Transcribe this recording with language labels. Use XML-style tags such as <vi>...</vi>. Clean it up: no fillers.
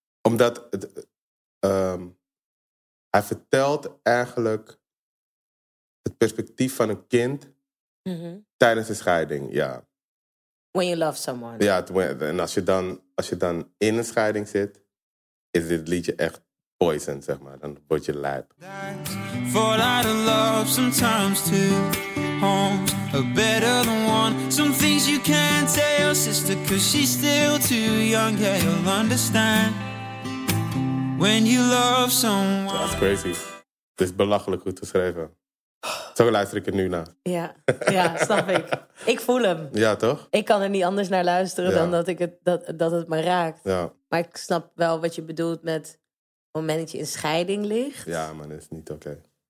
<nl>Omdat het, hij vertelt eigenlijk het perspectief van een kind tijdens een scheiding, ja.</nl> <en>When you love someone.</en> <nl>Ja, en als je dan in een scheiding zit, is dit liedje echt poison, zeg maar. Dan word je lijp.</nl> <en>Fall out of love sometimes too. Homes are better than one. Some things you can't tell your sister, cause she's still too young. Yeah, you'll understand when you love someone. That's crazy.</en> <nl>Het is belachelijk goed geschreven. Zo luister ik er nu naar. Ja, ja, snap ik. Ik voel hem. Ja, toch? Ik kan er niet anders naar luisteren dan dat, dat het me raakt. Ja. Maar ik snap wel wat je bedoelt met het moment dat je in scheiding ligt. Ja, man, dat is niet oké.</nl>